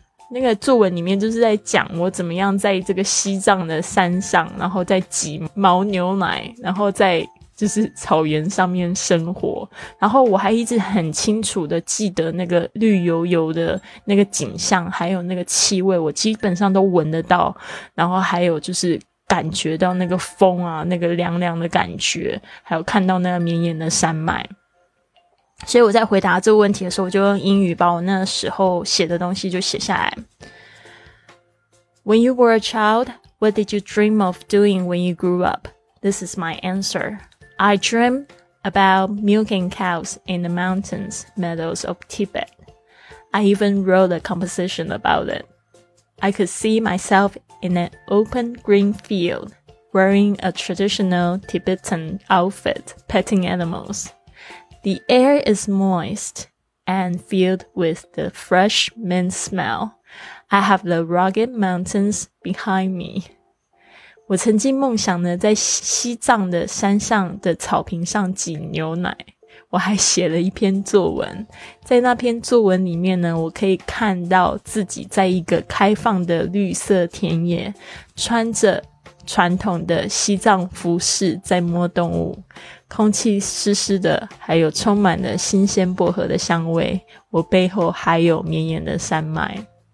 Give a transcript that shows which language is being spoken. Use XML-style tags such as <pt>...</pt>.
<zh>那个作文里面就是在讲我怎么样在这个西藏的山上，然后在挤牦牛奶，然后在就是草原上面生活，然后我还一直很清楚的记得那个绿油油的那个景象，还有那个气味我基本上都闻得到，然后还有就是感觉到那个风啊，那个凉凉的感觉，还有看到那个绵延的山脉。所以我在回答这个问题的时候，我就用英语把我那时候写的东西就写下来。</zh> <en>When you were a child, what did you dream of doing when you grew up? This is my answerI dream about milking cows in the mountains meadows of Tibet. I even wrote a composition about it. I could see myself in an open green field, wearing a traditional Tibetan outfit, petting animals. The air is moist and filled with the fresh mint smell. I have the rugged mountains behind me.</en> <zh>我曾经梦想呢在西藏的山上的草坪上挤牛奶，我还写了一篇作文，在那篇作文里面呢，我可以看到自己在一个开放的绿色田野，穿着传统的西藏服饰在摸动物，空气湿湿的，还有充满了新鲜薄荷的香味，我背后还有绵延的山脉。</zh>